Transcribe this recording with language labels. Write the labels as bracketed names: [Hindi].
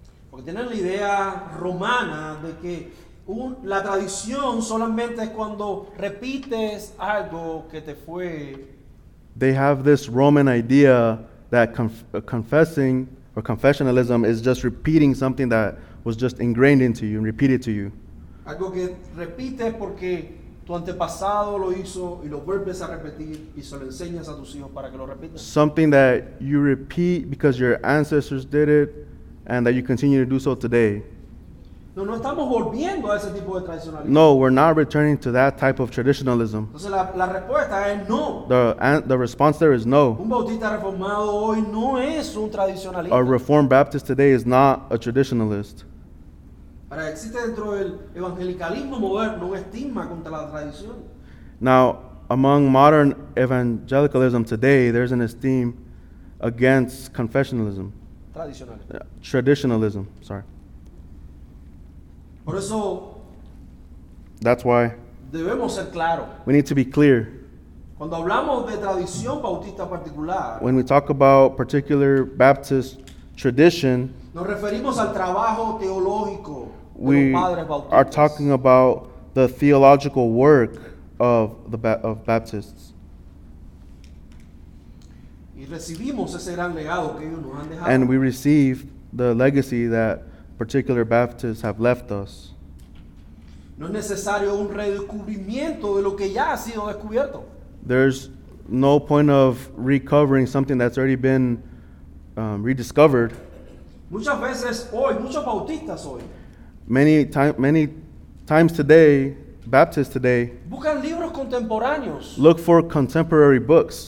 [Spanish] Porque tienen la idea romana de que la tradición solamente es cuando repites algo que te fue. [English] They have this Roman idea that confessing or confessionalism is just repeating something that was just ingrained into you and repeated to you. [Spanish] Algo que repites porque tu antepasado lo hizo y lo vuelves a repetir y se lo enseñas a tus hijos para que lo repitan. [English] Something that you repeat because your ancestors did it and that you continue to do so today. [Spanish] No estamos volviendo a ese tipo de tradicionalismo. [English] No, we're not returning to that type of traditionalism. [Spanish] Entonces la respuesta es no. [English] The response there is no. [Spanish] Un bautista reformado hoy no es un tradicionalista. [English] A Reformed Baptist today is not a traditionalist. [Spanish] Ahora, existe dentro del evangelicalismo moderno un estigma contra la tradición. [English] Now, among modern evangelicalism today, there's an esteem against confessionalism. Traditionalism, sorry. [Spanish] Por eso, [English] that's why [Spanish] debemos ser claros. [English] We need to be clear. [Spanish] Cuando hablamos de tradición bautista particular, [English] when we talk about particular Baptist tradition, [Spanish] nos referimos al trabajo teológico de los padres bautistas. [English] We are talking about the theological work of Baptists. [Spanish] Y recibimos ese gran legado que ellos nos han dejado. [English] And we receive the legacy that particular Baptists have left us. [Spanish] No es necesario un redescubrimiento de lo que ya ha sido descubierto. [English] There's no point of recovering something that's already been rediscovered. [Spanish] Muchas veces hoy, muchos bautistas hoy, [English] many times today, Baptists today, [Spanish] buscan libros contemporáneos, [English] look for contemporary books